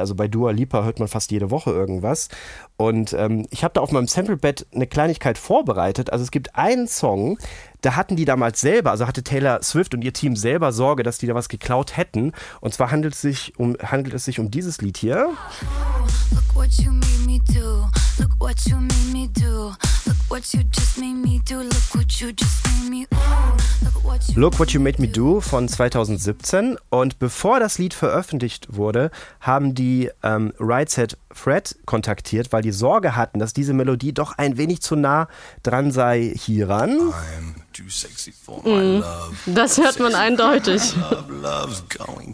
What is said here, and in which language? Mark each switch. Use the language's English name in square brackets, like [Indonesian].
[German] Also bei Dua Lipa hört man fast jede Woche irgendwas. Und ich habe da auf meinem Samplebett eine Kleinigkeit vorbereitet. Also es gibt einen Song, da hatten die damals selber, also hatte Taylor Swift und ihr Team selber Sorge, dass die da was geklaut hätten. Und zwar handelt es sich um dieses Lied hier. [English] Look what you made me do. Look what you made me do. Look what you just made me do. Look what you just made me do. [German] Look What You Made Me Do von 2017. Und bevor das Lied veröffentlicht wurde, haben die Right Said Fred kontaktiert, weil die Sorge hatten, dass diese Melodie doch ein wenig zu nah dran sei hieran. [English] I'm too sexy for my love. [German] Das hört man eindeutig. [English] Love's going